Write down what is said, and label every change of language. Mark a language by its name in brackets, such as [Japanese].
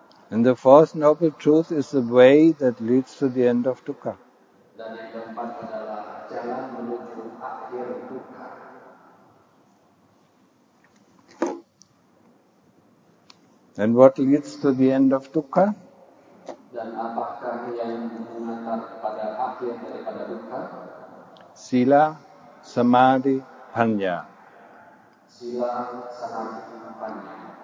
[English] And the fourth noble truth is the way that leads to the end of dukkha. [Indonesian] Dan yang keempat adalah jalan menuju akhir dukkha. [English] And what leads to the end of dukkha? [Indonesian] Dan apakah yang mengantar pada akhir daripada dukkha? [Pali] Sila, samadhi, panya. Sila, samadhi, panya.